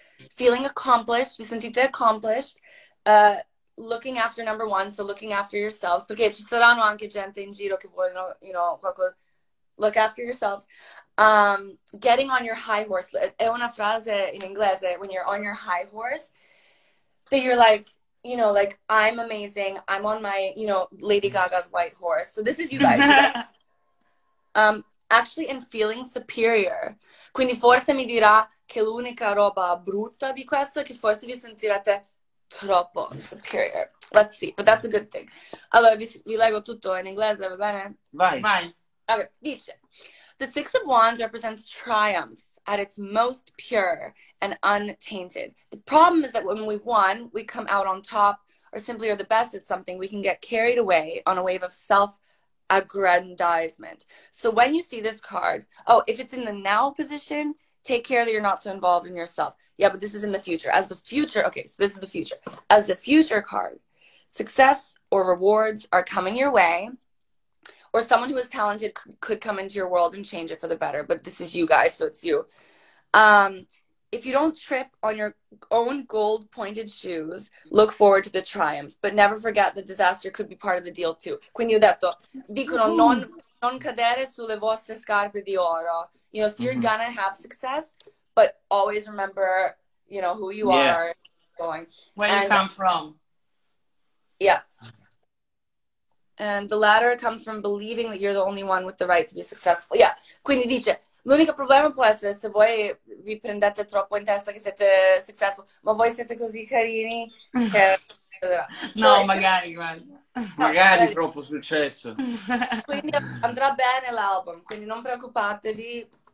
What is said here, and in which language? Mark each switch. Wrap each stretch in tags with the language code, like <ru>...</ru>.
<en>Feeling accomplished,</en> <it>vi sentite</it> <en>accomplished, looking after number one, so looking after yourselves,</en> <it>perché ci saranno anche gente in giro che vogliono,</it> <en>you know, look after yourselves. Getting on your high horse,</en> <it>è una frase in inglese,</it> <en>when you're on your high horse, that you're like, you know, like, I'm amazing, I'm on my, you know, Lady Gaga's white horse, so this is you guys. Actually, in feeling superior.</en> <it>Quindi forse mi dirà che l'unica roba brutta di questo è che forse vi sentirete troppo superior.</it> <en>Let's see, but that's a good thing.</en> <it>Allora, vi leggo tutto in inglese, va bene? Vai. Vai.</it> <en>Okay, dice, the Six of Wands represents triumph at its most pure and untainted. The problem is that when we've won, we come out on top or simply are the best at something, we can get carried away on a wave of self aggrandizement. So when you see this card, oh, if it's in the now position, take care that you're not so involved in yourself. Yeah, but this is in the future. As the future, okay, so this is the future. As the future card, success or rewards are coming your way, or someone who is talented could come into your world and change it for the better, but this is you guys, so it's you. If you don't trip on your own gold-pointed shoes, look forward to the triumphs, but never forget the disaster could be part of the deal too.</en> <it>Quindi ho detto, dicono non cadere sulle vostre scarpe di oro.</it> <en>You know, so you're mm-hmm. gonna have success, but always remember, you know, who you yeah. are going. Where and, you come from. Yeah. And the latter comes from believing that you're the only one with the right to be successful. Yeah.</en> <it>Quindi dice, l'unico problema può essere se voi vi prendete troppo in testa che siete successful, ma voi siete così carini. Che... no, so, magari, magari troppo successo. Quindi andrà bene l'album, quindi non preoccupatevi.</it>